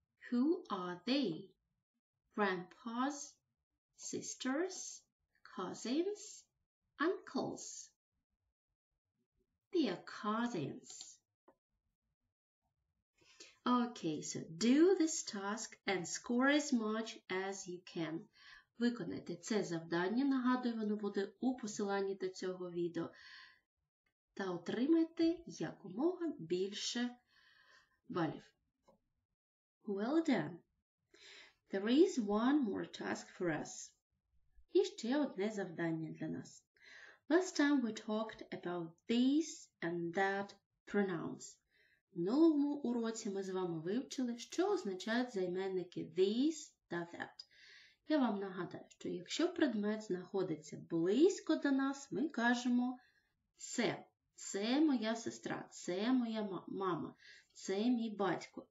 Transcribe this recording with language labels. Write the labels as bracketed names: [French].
[English] Who are they? Grandpas, sisters, cousins, uncles. They are cousins. Okay, so do this task and score as much as you can. [Ukrainian] Виконайте це завдання, нагадую, воно буде у посиланні до цього відео. Та отримайте якомога більше балів. [English] Well done! There is one more task for us. [Ukrainian] Іще одне завдання для нас. [English] Last time we talked about this and that pronouns. [Ukrainian] Минулому уроці ми з вами вивчили, що означають займенники this та that. Я вам нагадаю, що якщо предмет знаходиться близько до нас, ми кажемо це. Це моя сестра, це моя мама, це мій батько.